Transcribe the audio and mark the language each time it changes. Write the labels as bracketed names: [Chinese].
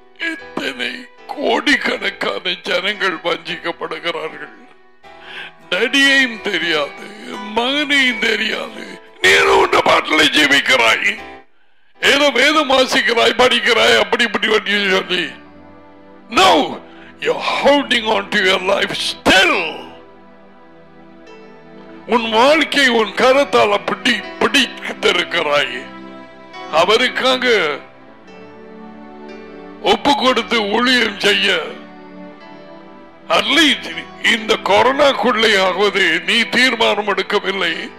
[Tamil] இத்தனை கோடிக்கணக்கான ஜனங்கள் வஞ்சிக்கப்படுகிறார்கள், நடியையும் தெரியாது, மகனையும் தெரியாது, நீரோண்ட பாட்டில் ஜீவிக்கிறாய், ஏதோ வேதம் வாசிக்கிறாய், படிக்கிறாய், அப்படி இப்படி பண்ணி சொல்லி. [English] Now you're holding on to your life still. [Tamil] உன் வாழ்க்கை உன் கரத்தால் அப்படி பிடித்திருக்கிறாய். அவருக்காக ஒப்பு கொடுத்து ஊழியம் செய்ய அட்லீஸ்ட் இந்த கொரோனாக்குள்ளே ஆகுவது நீ தீர்மானம் எடுக்கவில்லை.